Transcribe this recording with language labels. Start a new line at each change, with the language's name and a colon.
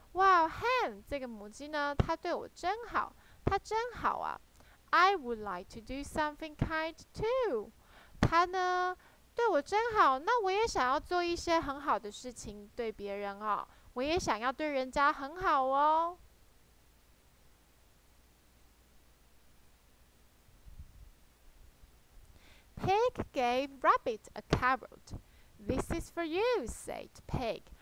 Chinese: 哇，Hen 这个母鸡呢，它对我真好，它真好啊。
English: I would like to do something kind too。
Chinese: 它呢，对我真好，那我也想要做一些很好的事情对别人哦，我也想要对人家很好哦。
English: Pig gave rabbit a carrot. This is for you, said pig.